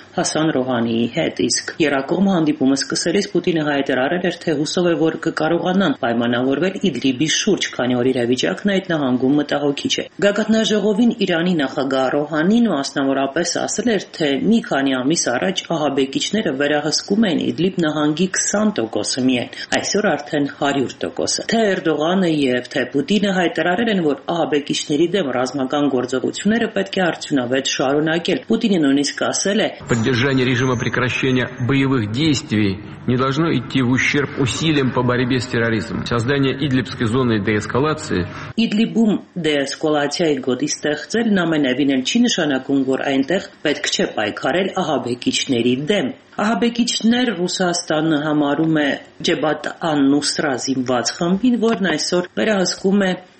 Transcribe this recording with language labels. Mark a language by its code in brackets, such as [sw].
[hy] Հասան Ռոհանիի հետ, իսկ երկկողմ հանդիպումը սկսելիս Պուտինը հայտարարել էր, թե հուսով է, որ կկարողանան պայմանավորվել Իդլիբի շուրջ, քանի որ իրավիճակն այդ նահանգում մտահոգիչ է։ Գագաթնաժողովին Իրանի նախագահ Ռոհանին մասնավորապես ասել էր, թե մի քանի ամիս առաջ ահաբեկիչները վերահսկում են Իդլիբ նահանգի 20%-ը միայն, այսօր արդեն 100%-ը։ Թե Էրդողանը եւ թե Պուտինը հայտարարել են, որ ահաբեկիչների դեմ ռազմական գործողությունները պետք է արդյունավետ շարունակել։ Պուտինը նույնիսկ ասել է. [ru] Поддержание режима прекращения боевых действий не должно идти в ущерб усилиям по борьбе с терроризмом. Создание Идлибской зоны деэскалации. [hy] Իդլիբում դեեսկալացիայի գոտի ստեղծել նամենավին էլ չի նշանակում, որ այնտեղ պետք չէ պայքարել ահաբեկիչների դեմ։ Ահաբեկիչներ Ռուսաստանը համարում է Ջեբատ ան-Նուսրա զինված խմբին, որն այսօր վերահսկում է